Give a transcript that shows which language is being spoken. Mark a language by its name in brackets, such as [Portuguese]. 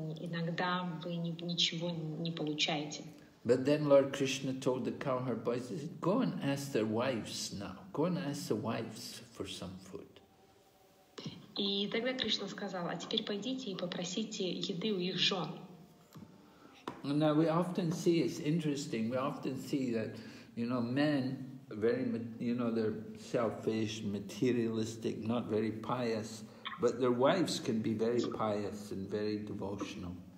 [Russian] Иногда вы ничего не получаете. [English] But then Lord Krishna told the cowherd boys, he said, go and ask their wives now. Go and ask the wives for some food. [Russian] И тогда Кришна сказал, а теперь пойдите и попросите еды у их жен. [English] Now we often see, it's interesting, we often see that, you know, men, very, you know, they're selfish, materialistic, not very pious, but their wives can be very pious and very devotional.